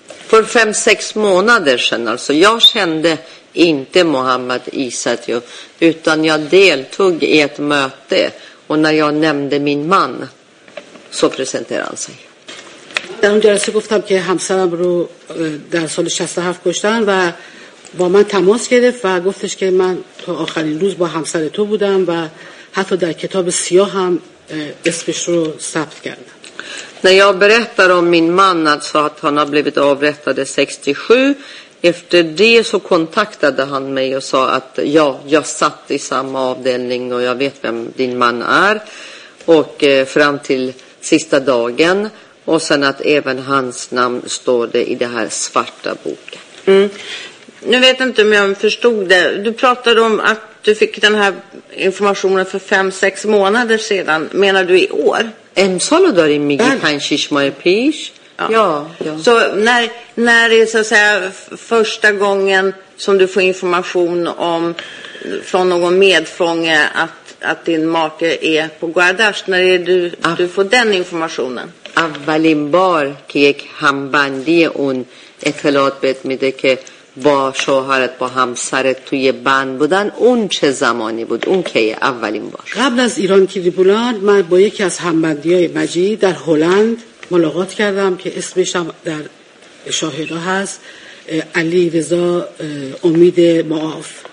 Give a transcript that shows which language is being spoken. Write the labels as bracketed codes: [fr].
[sv] For 5-6 månader sedan alltså. Jag kände inte Mohammad Izzatjo utan jag deltog i ett möte och när jag nämnde min man så presenterade han sig. [fa] در اون جلسه گفتم که همسرم رو در سال 67 کشتن و با من تماس گرفت و گفتش که من تا آخرین روز با همسر تو بودم و حتی در کتاب سیاه هم اسمش رو ثبت کردم. [sv] När jag berättar om min man alltså att han har blivit avrättad 67, efter det så kontaktade han mig och sa att ja, jag satt i samma avdelning och jag vet vem din man är och fram till sista dagen. Och sen att även hans namn står det i det här svarta boken. Mm. Nu vet inte om jag förstod det. Du pratade om att du fick den här informationen för 5-6 månader sedan. Menar du i år? En solodar i mig i 5-6 månader. Så när är så att säga första gången som du får information om från någon medfånge att din make är på Guardasht? När är du får den informationen? [fa] اولین بار که یک همبندی اون اطلاعات بهت میده که با شوهرت با همسرت توی بند بودن اون چه زمانی بود؟ اون که اولین بار قبل از ایران تریبونال من با یکی از همبندی های مجید در هلند ملاقات کردم که اسمش هم در شاهده هست علی رضا امید معاف